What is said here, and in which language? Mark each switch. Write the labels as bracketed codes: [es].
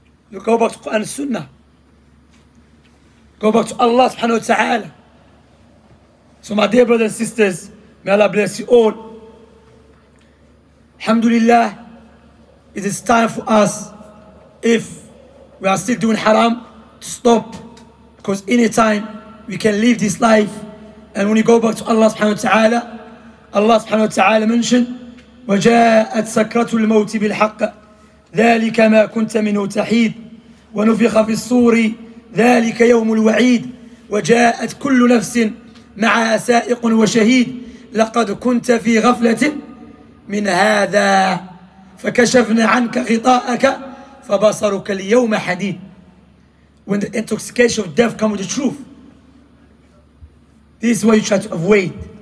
[en] You go back to Quran and Sunnah. Go back to Allah subhanahu wa ta'ala. So my dear brothers and sisters, may Allah bless you all. Alhamdulillah, it is time for us, if we are still doing haram, to stop. Because anytime we can leave this life, and when you go back to Allah subhanahu wa ta'ala, Allah subhanahu wa ta'ala mentioned, [ar] وَجَاءَتْ سَكْرَةُ الْمَوْتِ بِالْحَقَّ ذَلِكَ مَا كُنْتَ مِنْهُ تَحِيدُ وَنُفِخَ فِي الصُّورِ ذَلِكَ يَوْمُ الْوَعِيدِ وَجَاءَتْ كُلُّ نَفْسٍ مَعَهَا سَائِقٌ وَشَهِيدٌ لَقَدْ كُنْتَ فِي غَفْلَةٍ مِنْ هَذَا فَكَشَفْنَا عَنْكَ غِطَاءَكَ فَبَصَرُكَ الْيَوْمَ حَدِيدٌ. [en] When the intoxication of death comes with the truth, this is why you try to avoid.